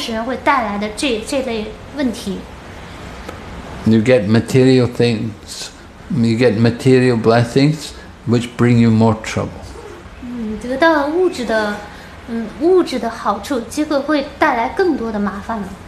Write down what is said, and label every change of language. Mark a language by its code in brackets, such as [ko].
[zh] 所以这就是崇拜半神会带来的这类问题。 [en] You get material things, you get material blessings, which bring you more trouble. [zh] 得到物质的好处, 结果会带来更多的麻烦。